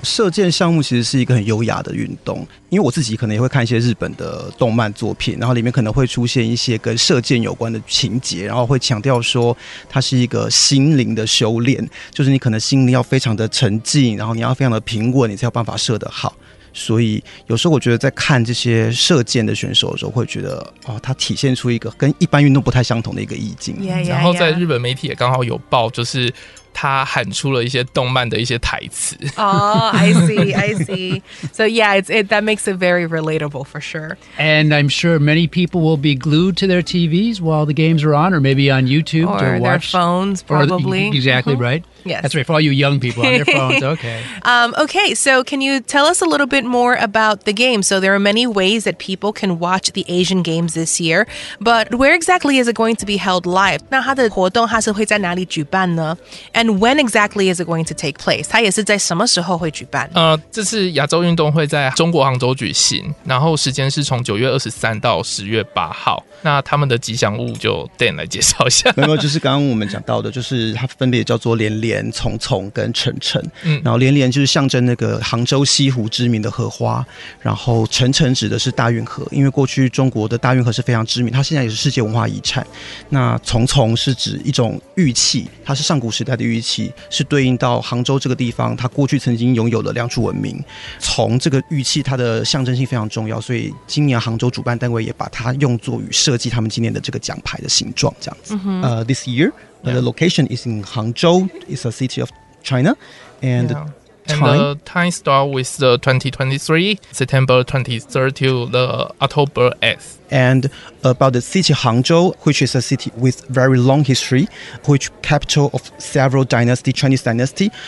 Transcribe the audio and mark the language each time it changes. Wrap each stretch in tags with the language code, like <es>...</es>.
<zh>射箭项目其实是一个很优雅的运动。因为我自己可能也会看一些日本的动漫作品然后里面可能会出现一些跟射箭有关的情节然后会强调说它是一个心灵的修炼就是你可能心灵要非常的沉静然后你要非常的平稳你才有办法射得好所以有时候我觉得在看这些射箭的选手的时候会觉得、哦、它体现出一个跟一般运动不太相同的一个意境</zh> <en>yeah, yeah, yeah.</en> <zh>然后在日本媒体也刚好有报就是他喊出了一些动漫的一些台词。</zh> <en>Oh, I see. So yeah, that makes it very relatable for sure. And I'm sure many people will be glued to their TVs while the games are on, or maybe on YouTube or to watch. Or their phones, probably. Exactly, right? Yes. That's right, for all you young people on their phones, okay. Okay, so can you tell us a little bit more about the game? So there are many ways that people can watch the Asian Games this year, but where exactly is it going to be held live?</en> <zh>那它的活动它是会在哪里举办呢？</zh> <en>And when exactly is it going to take place?</en> <zh>它也是在什么时候会举办？这次亚洲运动会在中国杭州举行，然后时间是从9月23到10月8号。那他们的吉祥物就 Dan 来介绍一下。没有，就是刚刚我们讲到的，就是它分别叫做连连、丛丛跟晨晨。嗯，然后连连就是象征那个杭州西湖知名的荷花，然后晨晨指的是大运河，因为过去中国的大运河是非常知名，它现在也是世界文化遗产。那丛丛是指一种玉器，它是上古时代的玉器，是对应到杭州这个地方，它过去曾经拥有了两处文明。从这个玉器，它的象征性非常重要，所以今年杭州主办单位也把它用作与设计他们今年的这个奖牌的形状，这样子。</zh> <en>This year, the location is in Hangzhou. It's a city of China, and the time starts with the 2023 September 23rd to the October 8th. And about the city Hangzhou, which is a city with very long history, which capital of several dynasty Chinese dynasty.</en>